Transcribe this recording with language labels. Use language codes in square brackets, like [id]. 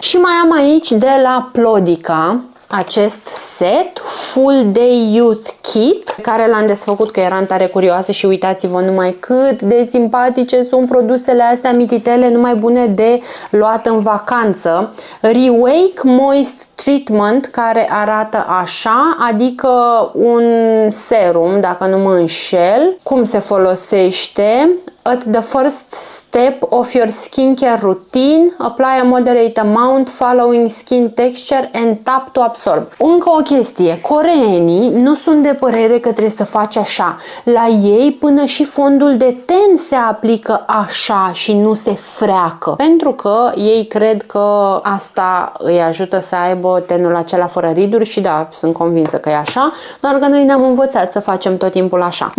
[ro] Și mai am aici de la Plodica acest set, Full Day Youth Kit, care l-am desfăcut că eram tare curioasă și uitați-vă numai cât de simpatice sunt produsele astea mititele, numai bune de luat în vacanță. Rewake Moist Treatment, care arată așa, adică un serum, dacă nu mă înșel. Cum se folosește? [en] At the first step of your skincare routine, apply a moderate amount following skin texture and tap to absorb. [ro] Încă o chestie, coreenii nu sunt de părere că trebuie să faci așa. La ei până și fondul de ten se aplică așa și nu se freacă. Pentru că ei cred că asta îi ajută să aibă tenul acela fără riduri și da, sunt convinsă că e așa, doar că noi ne-am învățat să facem tot timpul așa.